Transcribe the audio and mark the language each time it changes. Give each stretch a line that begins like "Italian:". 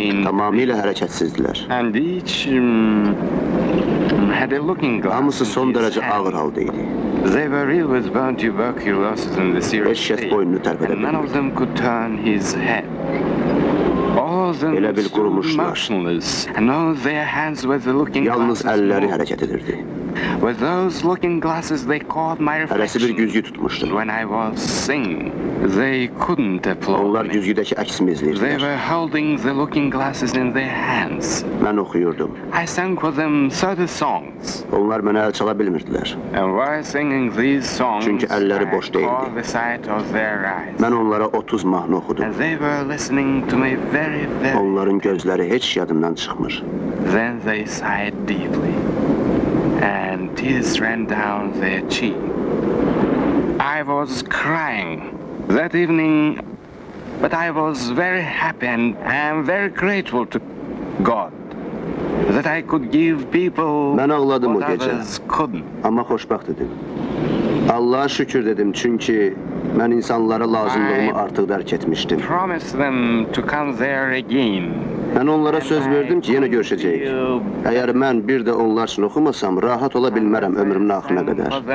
Azerbaijani: Tamamilə hərəkətsizdilər.
English: And each had a looking glass.
Azerbaijani: Hamısı son dərəcə ağır halda idi.
English: They were ill with bone tuberculosis in the serious state. And none of them could turn his head.
Azerbaijani: Elə bil qurumuşlar. Yalnız əlləri hərəkət edirdi.
English: With those looking glasses they caught my reflection.
Azerbaijani: Hərəsi bir güzgü tutmuşdu.
English: When I was singing, they couldn't applaud.
Azerbaijani: Onlar güzgüdəki əksimi izləyirdilər.
English: They were holding the looking glasses in their hands.
Azerbaijani: Mən oxuyurdum.
English: I sang for them 30 songs.
Azerbaijani: Onlar mənə əl çala bilmirdilər.
English: And while singing these songs,
Azerbaijani: çünki əlləri boş deyildi.
English: The sight of their eyes.
Azerbaijani: Mən onlara 30 mahnı oxudum.
English: And they were listening to me very, very.
Azerbaijani: Onların gözləri heç yadımdan çıxmır.
English: Then they sighed deeply. And tears ran down their cheek. I was crying that evening, but I was very happy and I am very grateful to God that I could give people what others couldn't.
Azerbaijani: Mən ağladım o gecə, amma xoşbəxt idim. Allaha şükür dedim, çünki mən insanlara lazımlığımı artıq dərk etmişdim.
English: I promised them to come there again.
Azerbaijani: Mən onlara söz verdim ki, yenə görüşəcəyik. Əgər mən bir də onlar üçün oxumasam, rahat ola bilmərəm ömrümün axırına qədər.